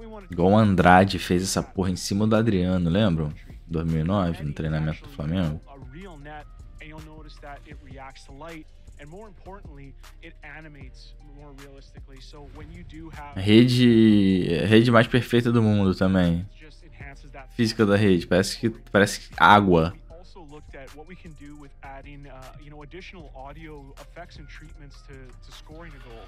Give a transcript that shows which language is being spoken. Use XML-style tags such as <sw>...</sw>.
<pt>Igual o Andrade fez essa porra em cima do Adriano, lembram? 2009, no treinamento do Flamengo.</pt> <en>A real net, and you'll notice that it reacts to light. And more importantly, it animates more realistically. So when you do have</en> <pt>rede mais perfeita do mundo também. Física da rede, parece que água.</pt> <en>Also looked at what we can do with adding you know, additional audio effects and treatments to scoring a goal.</en>